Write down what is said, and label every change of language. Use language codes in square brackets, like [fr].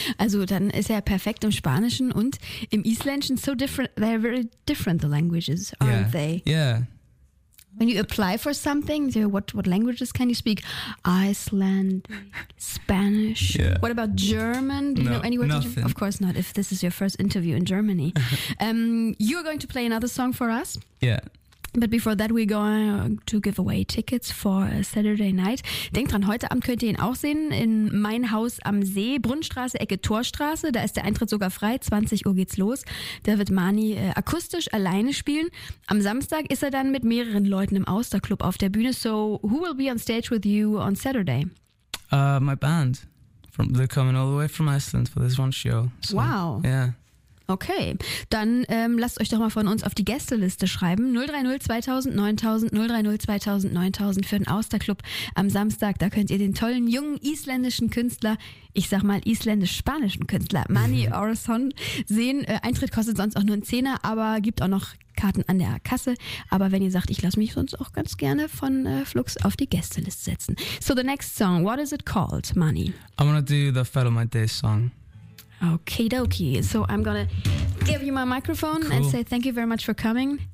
[de] Also dann ist er perfekt im Spanischen und im Isländischen. [en] So different, they're very different, the languages, aren't yeah. they? Yeah. When you apply for something, so what languages can you speak? Icelandic, Spanish. Yeah. What about German? Do you no, know any words? Nothing. Of course not, if this is your first interview in Germany. You're going to play another song for us. Yeah. But before that, we're going to give away tickets for a Saturday night. [de] Denkt dran, heute Abend könnt ihr ihn auch sehen in Mein Haus am See, Brunnenstraße, Ecke Torstraße. Da ist der Eintritt sogar frei. 20 Uhr geht's los. Da wird Mani akustisch alleine spielen. Am Samstag ist er dann mit mehreren Leuten im Austerclub auf der Bühne. [en] So, who will be on stage with you on Saturday? My band. They're coming all the way from Iceland for this one show. So, wow. Yeah. [de] Okay, dann lasst euch doch mal von uns auf die Gästeliste schreiben. 030 2000 9000 030 2000 9000 für den Austerclub am Samstag. Da könnt ihr den tollen jungen isländischen Künstler, ich sag mal isländisch-spanischen Künstler, Mani Orason sehen. Eintritt kostet sonst auch nur einen Zehner, aber gibt auch noch Karten an der Kasse. Aber wenn ihr sagt, ich lasse mich sonst auch ganz gerne von Flux auf die Gästeliste setzen. [en] So the next song, what is it called, Mani? I'm gonna do the Fat of My Day song. Okie dokie. So I'm gonna give you my microphone cool. and say thank you very much for coming.